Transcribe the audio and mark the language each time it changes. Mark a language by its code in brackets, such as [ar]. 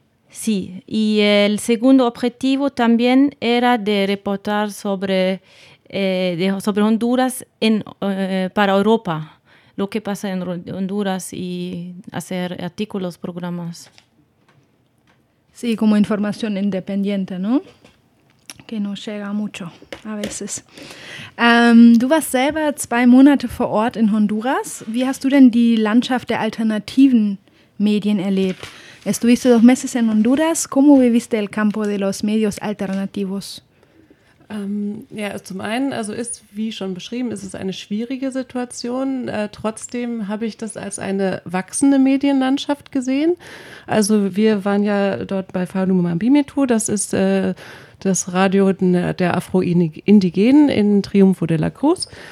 [es] Sí, y el segundo objetivo también era de reportar sobre Honduras para Europa, lo que pasa en Honduras y hacer artículos, programas. Sí, como información independiente, ¿no? Que no llega mucho a veces. [de] Du warst selber 2 Monate vor Ort in Honduras. Wie hast du denn die Landschaft der alternativen Medien erlebt? [es] Estuviste 2 meses en Honduras. ¿Cómo viviste el campo de los medios alternativos? [de] Zum einen, also ist, wie schon beschrieben, ist es eine schwierige Situation. Trotzdem habe ich das als eine wachsende Medienlandschaft gesehen. Also wir waren ja dort bei Falu Mambimetu, das ist das Radio der Afro-Indigenen in Triunfo de la Cruz.